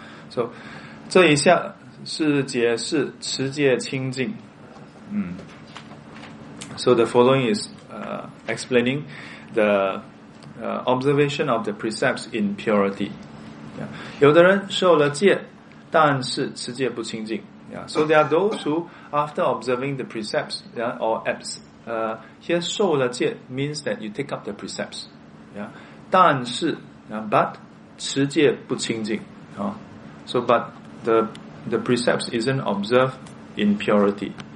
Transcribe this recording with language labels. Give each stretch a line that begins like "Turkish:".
Chinese: So 这一下是解释持戒清净.
English: So the following is explaining the observation of the precepts in purity. Yeah.
Chinese: 有的人受了戒但是持戒不清净.
English: Yeah, so there are those who, after observing the precepts, yeah, or apps, here
Chinese: 受了戒
English: means that you take up the precepts. Yeah,
Chinese: 但是,
English: yeah, but
Chinese: 持戒不清净,
English: so but the precepts isn't observed in purity.